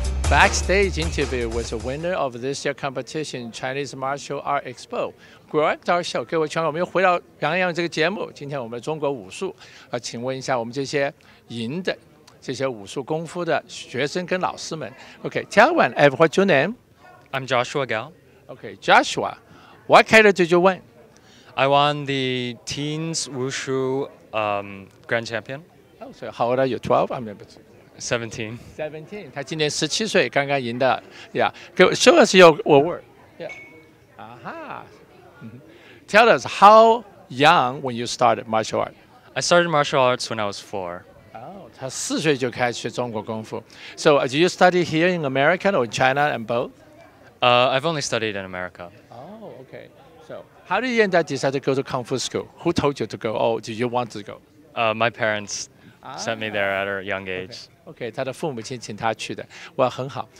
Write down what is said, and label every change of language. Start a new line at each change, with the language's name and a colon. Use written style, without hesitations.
English: Backstage interview with the winner of this year competition Chinese Martial Art Expo. Great our show,
Chinese: 各位全国，我们又回到杨洋这个节目。今天我们中国武术，请问一下我们这些赢的这些武术功夫的学生跟老师们。
English: Okay, tell one, what's your name? I'm Joshua Gao. Okay, Joshua, what kind of did you win? I won the teens WuShu Grand Champion. Oh, so how old are you? 12? I'm not. 17.
Chinese: 他今年17岁，刚刚赢的。
English: Yeah, show us your work. Yeah. Aha. Tell us how young when you started martial art. I started martial arts when I was 4. Oh,
Chinese: 他4岁就开始学中国功夫。
English: So, do you study here in America or China and both? I've only studied in America. Oh, okay. So, how did you end up deciding to go to kung fu school? Who told you to go? Oh, do you want to go? My parents sent me there at a young age. Okay. Okay,
Chinese: 他的父母亲请他去的。
English: Well,
Chinese: 很好。